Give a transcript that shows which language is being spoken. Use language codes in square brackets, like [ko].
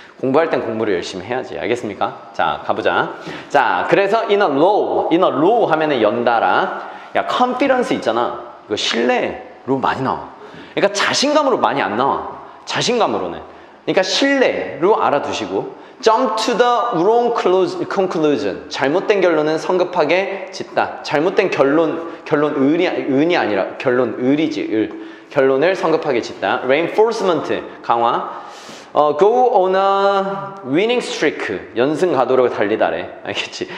[ko] 공부할 땐 공부를 열심히 해야지. 알겠습니까? 자, 가보자. 자, 그래서 [en] in a low [ko] 하면은 연달아. 야, confidence 있잖아. 이거 신뢰로 많이 나와. 그러니까 자신감으로 많이 안 나와. 자신감으로는. 그러니까 신뢰로 알아두시고. [en] Jump to the wrong conclusion. [ko] 잘못된 결론은 성급하게 짓다. 잘못된 결론 을이 아니라 결론 을이지. 을. 결론을 성급하게 짓다. Reinforcement 강화. [en] Go on a winning streak. [ko] 연승 가도로 달리다래. 알겠지?